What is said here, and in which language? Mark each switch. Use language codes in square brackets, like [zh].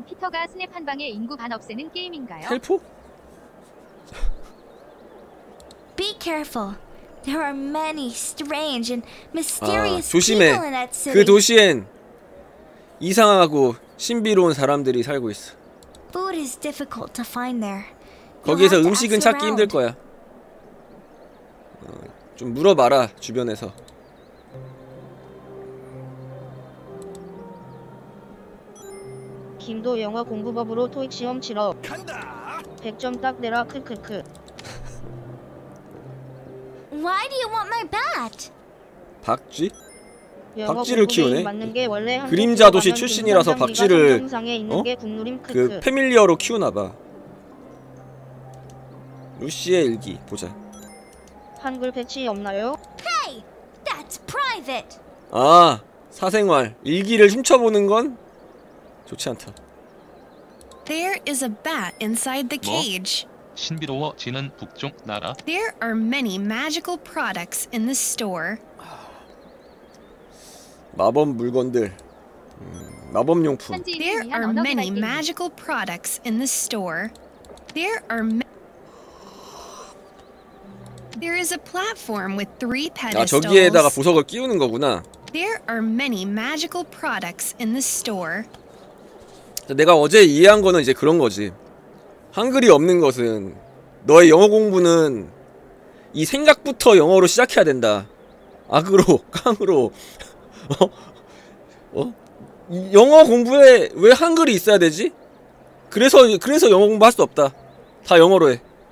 [ko] 피터가 스냅 한 방에 인구 반 없애는 게임인가요? 헬프? [en] Be careful. There are many strange and mysterious people in that city. [ko] 그 도시엔 이상하고 신비로운 사람들이 살고 있어. Food is difficult to find there. 거기서 음식은 찾기 힘들 거야. 좀 물어봐라 주변에서. 김도 영어 공부법으로 토익 시험 치러. 100점 딱 내라 크크크. [en] Why do you want my bat? [ko] 박쥐? 박쥐를 키우네. 맞는 게 원래 그림자 도시 출신이라서 박쥐를 그 패밀리어로 키우나 봐. 루시의 일기 보자. 한글 패치 없나요? [en] Hey, that's private. [ko] 아, 사생활 일기를 훔쳐보는 건 좋지 않다. [en] There is a bat inside the cage. [ko] 신비로워지는 북쪽 나라. [en] There are many magical products in the store. [ko] 마법 물건들. 마법 용품. [en] There are many magical products in the store. There is a platform with three pedestals. [ko] 아, 저기에다가 보석을 끼우는 거구나. [en] There are many magical products in the store. [ko] 자, 내가 어제 이해한 거는 이제 그런 거지. 한글이 없는 것은 너의 영어 공부는 이 생각부터 영어로 시작해야 된다. 악으로, 깡으로. 영어 공부에 왜 한글이 있어야 되지? 그래서 영어 공부할 수 없다. 다 영어로 해.